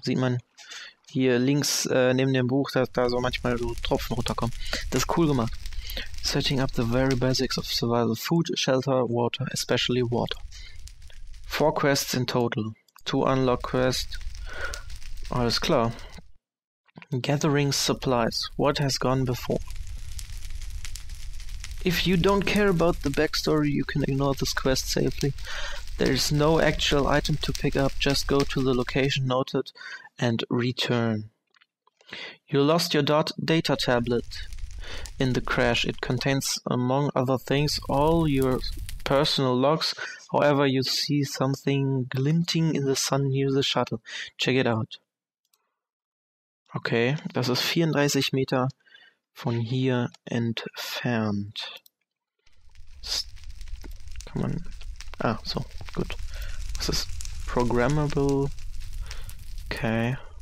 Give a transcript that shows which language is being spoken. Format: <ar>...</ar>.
<de>Sieht man hier links neben dem Buch, dass da so manchmal so Tropfen runterkommen. Das ist cool gemacht.</de> <en>Setting up the very basics of survival: food, shelter, water, especially water. 4 quests in total. 2 unlock quests.</en> <de>Alles klar.</de> <en>Gathering supplies. What has gone before? If you don't care about the backstory, you can ignore this quest safely. There is no actual item to pick up. Just go to the location noted and return. You lost your data tablet in the crash. It contains, among other things, all your personal logs. However, you see something glinting in the sun near the shuttle. Check it out.</en> <de>Okay, das ist 34 Meter von hier entfernt. Kann man. Ah, so, gut. Das ist programmable. Okay.</de>